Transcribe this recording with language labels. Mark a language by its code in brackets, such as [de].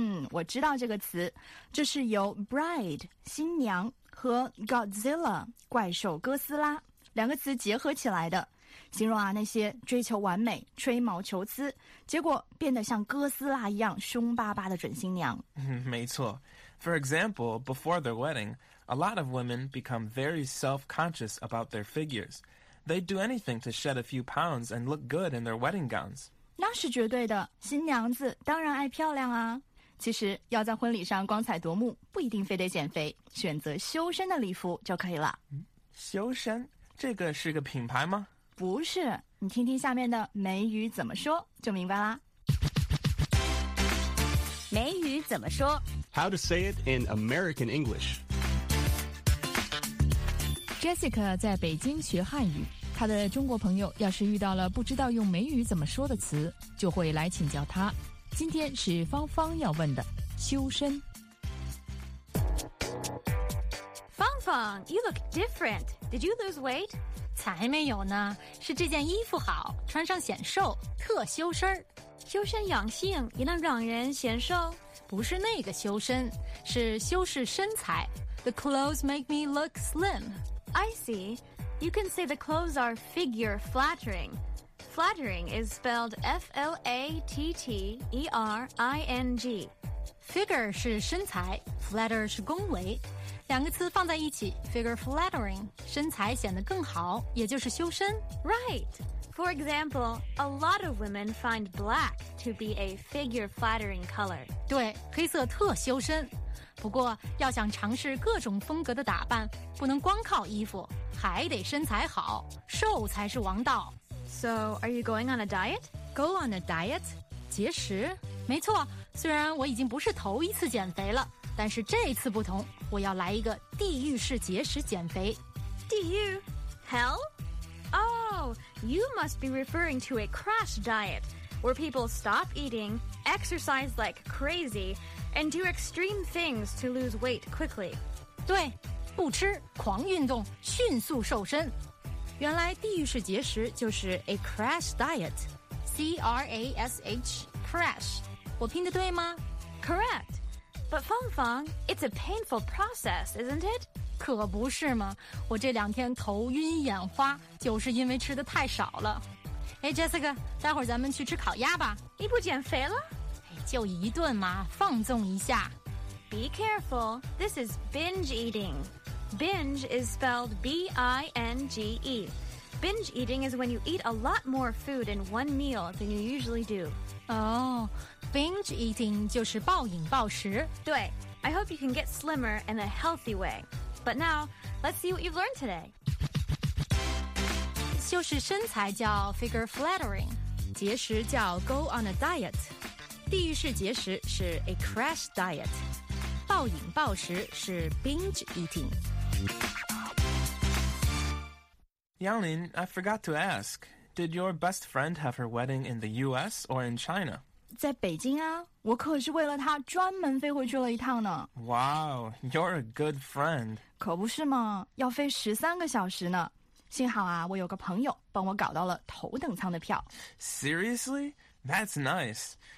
[zh] 我知道这个词，这是由 bride 新娘和 Godzilla 怪兽哥斯拉两个词结合起来的，形容啊那些追求完美、吹毛求疵，结果变得像哥斯拉一样凶巴巴的准新娘。没错。 [en] For example, before their wedding, a lot of women become very self-conscious about their figures. They'd do anything to shed a few pounds and look good in their wedding gowns. [zh] 那是绝对的，新娘子当然爱漂亮啊。其实要在婚礼上光彩夺目，不一定非得减肥，选择修身的礼服就可以了。修身？这个是个品牌吗？不是，你听听下面的美语怎么说就明白啦。美语怎么说 [en] ？How to say it in American English? [zh] Jessica 在北京学汉语，她的中国朋友要是遇到了不知道用美语怎么说的词，就会来请教她。今天是芳芳要问的修身。 [en] 芳芳 ，You look different. Did you lose weight? [zh] 才没有呢，是这件衣服好，穿上显瘦，特修身。修身养性也能让人显瘦？不是那个修身，是修饰身材。 [en] The clothes make me look slim. I see. You can say the clothes are figure flattering. Flattering is spelled F-L-A-T-T-E-R-I-N-G. [zh] Figure 是身材 ，flatter 是恭维，两个词放在一起 ，figure flattering， 身材显得更好，也就是修身。 [en] Right. For example, a lot of women find black to be a figure flattering color. [zh] 对，黑色特修身。不过要想尝试各种风格的打扮，不能光靠衣服，还得身材好，瘦才是王道。 [en] So, are you going on a diet? Go on a diet? [zh] 节食？没错，虽然我已经不是头一次减肥了，但是这次不同，我要来一个地狱式节食减肥。地狱 ？Hell? [en] Oh, you must be referring to a crash diet, where people stop eating, exercise like crazy, and do extreme things to lose weight quickly. [zh] 对，不吃，狂运动，迅速瘦身。原来地狱式节食就是 a crash diet, C-R-A-S-H, crash. 我拼得对吗？ [en] Correct. But Feng Feng, it's a painful process, isn't it? [zh] 可不是嘛，我这两天头晕眼花，就是因为吃的太少了。哎 ，Jessica， 待会儿咱们去吃烤鸭吧。你不减肥了？哎，就一顿嘛，放纵一下。 [en] Be careful. This is binge eating. Binge is spelled B-I-N-G-E. Binge eating is when you eat a lot more food in one meal than you usually do. [zh] Oh, binge eating 就是暴饮暴食。对 [en] I hope you can get slimmer in a healthy way. But now, let's see what you've learned today. [zh] 就是身材叫 figure flattering, 节食叫 go on a diet. 地狱式节食是 a crash diet. 暴饮暴食是 binge eating. [en] Yanglin, I forgot to ask. Did your best friend have her wedding in the U.S. or in China? [zh] 在北京啊，我可是为了她专门飞回去了一趟呢。 [en] Wow, you're a good friend. [zh] 可不是嘛，要飞13个小时呢。幸好啊，我有个朋友帮我搞到了头等舱的票。 [en] Seriously? That's nice.